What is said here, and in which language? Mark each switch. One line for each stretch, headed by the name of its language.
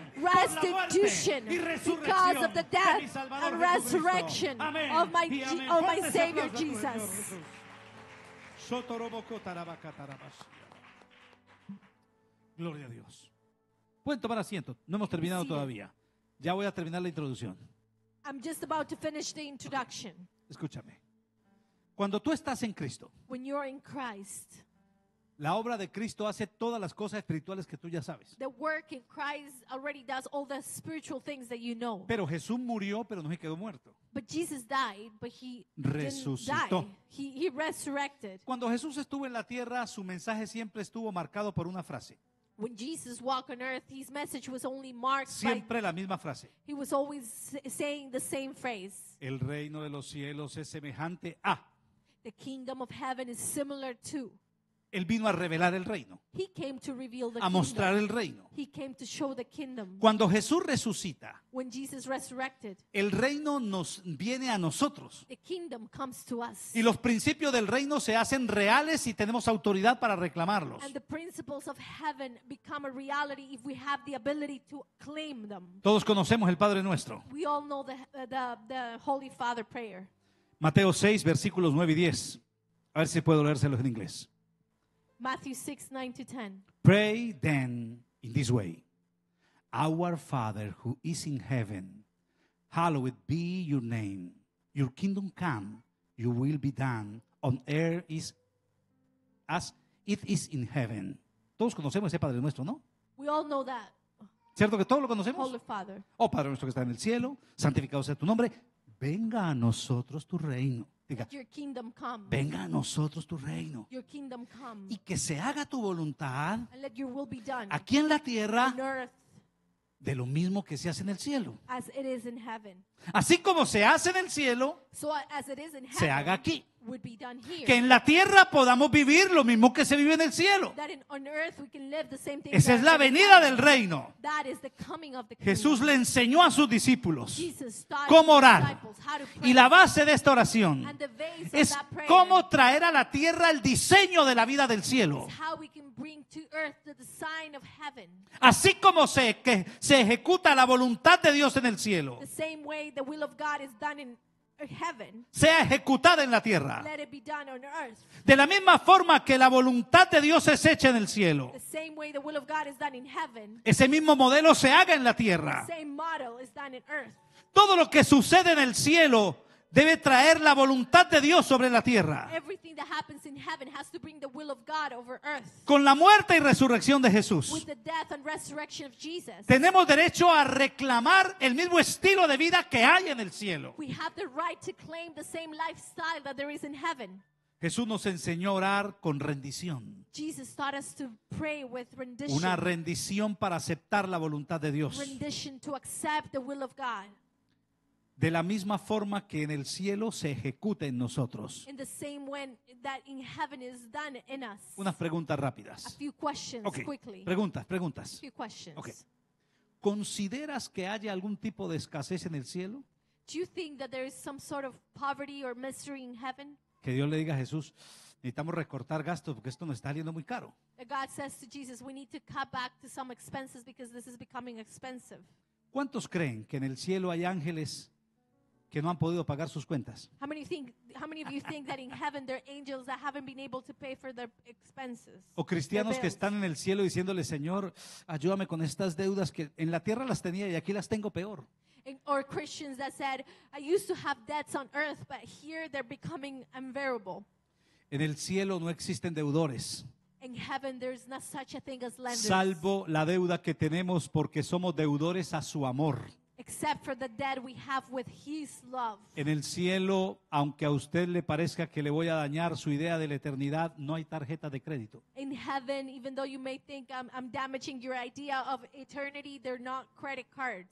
Spanish: por la muerte y resurrección de mi Salvador Jesucristo amén
English: of my, of my Savior Jesus. Sotoroboko tarabakatarabas.
Spanish: Gloria a Dios. Pueden tomar asiento. No hemos terminado todavía. Ya voy a terminar la introducción.
English: I'm just about to finish the introduction.
Spanish: Okay. Escúchame. Cuando tú estás en Cristo,
English: when you're in Christ,
Spanish: la obra de Cristo hace todas las cosas espirituales que tú ya sabes.
English: The work in Christ already does all the spiritual things that you know.
Spanish: Pero Jesús murió, pero no se quedó muerto.
English: But Jesus died, but he
Spanish: resucitó.
English: He resurrected.
Spanish: Cuando Jesús estuvo en la tierra, su mensaje siempre estuvo marcado por una frase.
English: When Jesus walked on earth, his message was only marked
Spanish: siempre
English: by
Spanish: la misma frase.
English: He was always saying the same phrase.
Spanish: El reino de los cielos es semejante a.
English: The kingdom of heaven is similar to.
Spanish: Él vino a revelar el reino.
English: He came to reveal the
Spanish: a mostrar
English: kingdom.
Spanish: El reino.
English: He came to show the kingdom.
Spanish: Cuando Jesús resucita,
English: when Jesus resurrected,
Spanish: el reino nos viene a nosotros.
English: The kingdom comes to us.
Spanish: Y los principios del reino se hacen reales y tenemos autoridad para reclamarlos.
English: And the principles of heaven become a reality if we have the ability to claim them.
Spanish: Todos conocemos el Padre Nuestro.
English: We all know the Holy Father prayer.
Spanish: Mateo 6, versículos 9 y 10. A ver si puedo leérselos en inglés.
English: Matthew 6, 9-10. Pray then in this way. Our Father who is in heaven, hallowed be your name. Your kingdom come, your will be done on earth as it is in heaven.
Spanish: Todos conocemos ese Padre Nuestro, ¿no?
English: We all know that.
Spanish: ¿Cierto que todos lo conocemos?
English: Holy Father.
Spanish: Oh, Padre Nuestro que está en el cielo, santificado sea tu nombre. Venga a nosotros tu reino. Diga,
English: your kingdom come.
Spanish: Venga a nosotros tu reino.
English: Your kingdom come.
Spanish: Y que se haga tu voluntad.
English: And let your will be done.
Spanish: Aquí en la tierra.
English: In earth,
Spanish: de lo mismo que se hace en el cielo.
English: As it is in heaven.
Spanish: Así como se hace en el cielo.
English: So as it is in heaven,
Spanish: se haga aquí.
English: Would be done here.
Spanish: Que en la tierra podamos vivir lo mismo que se vive en el cielo.
English: That in, on earth we can live the same thing.
Spanish: Esa es la venida del reino.
English: That is the coming of the kingdom.
Spanish: Jesús le enseñó a sus discípulos
English: Jesus taught
Spanish: cómo orar.
English: Disciples how to pray.
Spanish: Y la base de esta oración
English: and the base
Spanish: es
English: of that prayer
Spanish: cómo traer a la tierra el diseño de la vida del cielo.
English: Is how we can bring to earth the design of heaven.
Spanish: Así como se ejecuta la voluntad de Dios en el cielo.
English: The same way the will of God is done in heaven,
Spanish: sea ejecutada en la tierra.
English: Let it be done on earth.
Spanish: De la misma forma que la voluntad de Dios es hecha en el cielo.
English: The same way the will of God is done in heaven.
Spanish: Ese mismo modelo se haga en la tierra.
English: The same model is done in earth.
Spanish: Todo lo que sucede en el cielo debe traer la voluntad de Dios sobre la tierra.
English: Everything that happens in heaven has to bring the will of God over earth.
Spanish: Con la muerte y resurrección de Jesús.
English: With the death and resurrection of Jesus.
Spanish: Tenemos derecho a reclamar el mismo estilo de vida que hay en el cielo.
English: We have the right to claim the same lifestyle that there is in heaven.
Spanish: Jesús nos enseñó a orar con rendición.
English: Jesus taught us to pray with rendition.
Spanish: Una rendición para aceptar la voluntad de Dios.
English: Rendition to accept the will of God.
Spanish: De la misma forma que en el cielo se ejecuta en nosotros.
English: In the same way that in heaven is done in us.
Spanish: Unas preguntas rápidas.
English: A few questions, okay. Quickly.
Spanish: Preguntas.
English: A few questions. Okay.
Spanish: ¿Consideras que haya algún tipo de escasez en el cielo?
English: Do you think that there is some sort of poverty or misery in heaven?
Spanish: Que Dios le diga a Jesús, necesitamos recortar gastos porque esto nos está saliendo muy caro.
English: God says to Jesus, we need to cut back to some expenses because this is becoming expensive.
Spanish: ¿Cuántos creen que en el cielo hay ángeles que no han podido pagar sus cuentas?
English: How many of you think that in heaven there are angels that haven't been able to pay for their expenses?
Spanish: O cristianos que están en el cielo diciéndole, Señor, ayúdame con estas deudas que en la tierra las tenía y aquí las tengo peor.
English: Or Christians that said, I used to have debts on earth, but here they're becoming unbearable.
Spanish: En el cielo no existen deudores.
English: In heaven, there's not such a thing as lenders.
Spanish: Salvo la deuda que tenemos porque somos deudores a su amor.
English: Except for the debt we have with his love.
Spanish: En el cielo, aunque a usted le parezca que le voy a dañar su idea de la eternidad, no hay tarjeta de crédito.
English: In heaven, even though you may think I'm damaging your idea of eternity, they're not credit cards.